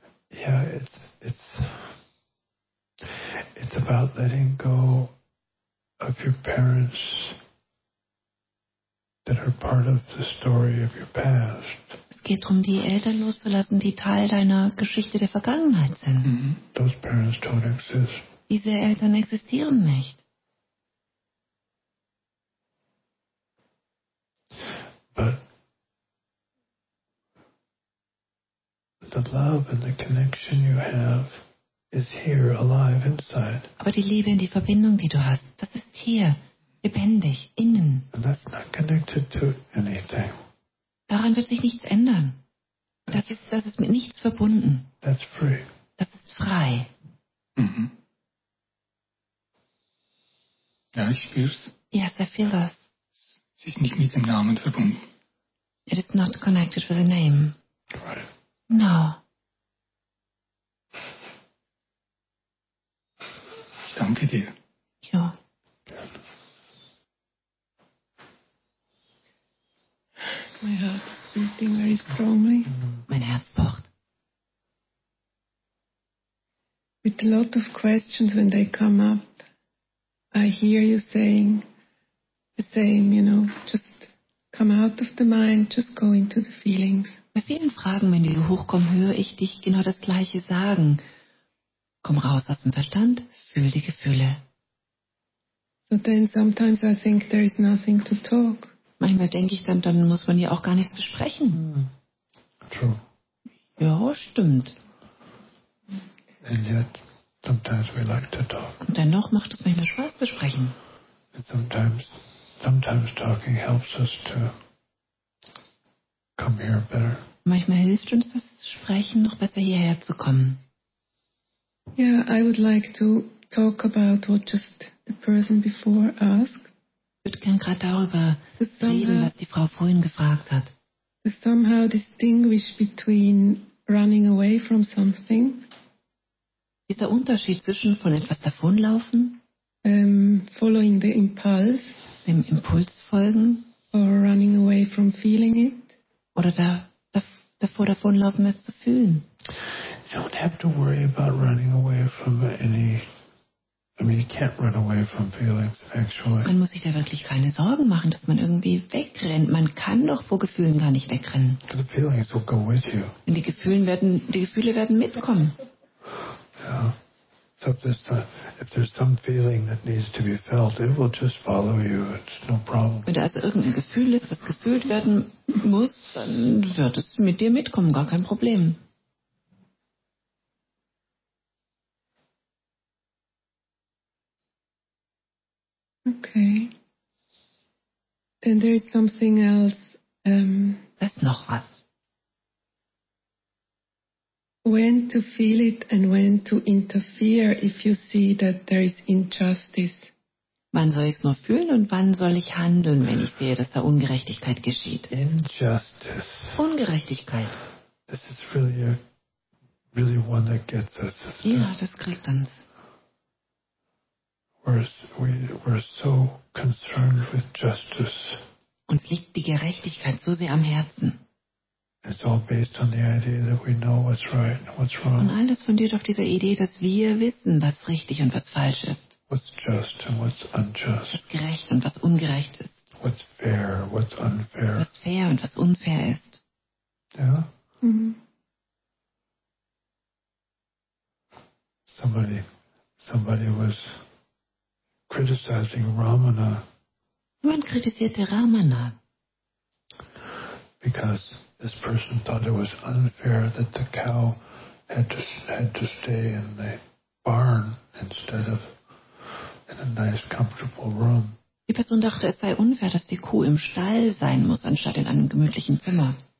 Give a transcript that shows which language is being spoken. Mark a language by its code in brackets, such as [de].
[en] Yeah, it's about letting go of your parents that are part of the story of your past. [de] Es geht darum, die Eltern loszulassen, die Teil deiner Geschichte der Vergangenheit sind. Mm-hmm. [en] Those parents don't exist. [de] Diese Eltern existieren nicht. [en] The love and the connection you have is here, alive inside. [de] Aber die Liebe und die Verbindung, die du hast, das ist hier, lebendig, innen. [en] And that's not connected to anything. [de] Daran wird sich nichts ändern. Das ist mit nichts verbunden. [en] That's free. [de] Das ist frei. Mm-hmm. Ja, ich spür's. [en] Yes, I feel that. [de] Es ist nicht mit dem Namen verbunden. [en] It is not connected with a name. Right. No. [de] Ich danke dir. Ja. [en] My heart is beating very strongly. [de] Mein Herz pocht. [en] With a lot of questions when they come up, I hear you saying the same, you know, just come out of the mind, just go into the feelings. [de] Bei vielen Fragen, wenn die so hochkommen, höre ich dich genau das Gleiche sagen. Komm raus aus dem Verstand, fühl die Gefühle. [en] So then sometimes I think there is nothing to talk. [de] Manchmal denke ich dann muss man ja auch gar nichts besprechen. [en] True. [de] Ja, stimmt. [en] And yet, sometimes we like to talk. [de] Und dennoch macht es manchmal Spaß zu sprechen. [en] And sometimes talking helps us to come here better. [de] Manchmal hilft uns das Sprechen, noch besser hierher zu kommen. [en] Yeah, I would like to talk about what just the person before asked. [de] Ich würde gerne gerade darüber reden, was die Frau vorhin gefragt hat. [en] To somehow distinguish between running away from something. [de] Dieser Unterschied zwischen von etwas davonlaufen, [en] following the impulse, [de] dem Impuls folgen, [en] or running away from feeling it. [de] Oder davor davonlaufen, es zu fühlen. [en] You don't have to worry about running away from any. I mean, you can't run away from feelings, actually. [de] Man muss sich da wirklich keine Sorgen machen, dass man irgendwie wegrennt. Man kann doch vor Gefühlen gar nicht wegrennen. [en] The feelings will go with you. [de] Und die Gefühle werden mitkommen. [en] Yeah. So if there's some feeling that needs to be felt, it will just follow you. It's no problem. [de] Wenn da also irgendein Gefühl ist, das gefühlt werden muss, dann wird es mit dir mitkommen, gar kein Problem. [en] Okay. Then there is something else. [de] Das ist noch was. [en] When to feel it and when to interfere if you see that there is injustice. [de] Wann soll ich es nur fühlen und wann soll ich handeln, wenn ich sehe, dass da Ungerechtigkeit geschieht? [en] Injustice. [de] Ungerechtigkeit. [en] This is really really one that gets us. [de] Ja, das kriegt uns. [en] We're so concerned with justice. [de] Uns liegt die Gerechtigkeit so sehr am Herzen. [en] It's all based on the idea that we know what's right and what's wrong. [de] Und alles fundiert auf dieser Idee, dass wir wissen, was richtig und was falsch ist. [en] What's just and what's unjust. [de] Was gerecht und was ungerecht ist. [en] What's fair, what's unfair. [de] Was fair und was unfair ist. Ja? [en] Yeah? Mm-hmm. Somebody was criticizing Ramana. [de] Man kritisierte Ramana. [en] Because this person thought it was unfair that the cow had to stay in the barn instead of in a nice comfortable room. [de] Die Person dachte, es sei unfair, dass die Kuh im Stall sein muss anstatt in einem gemütlichen Zimmer.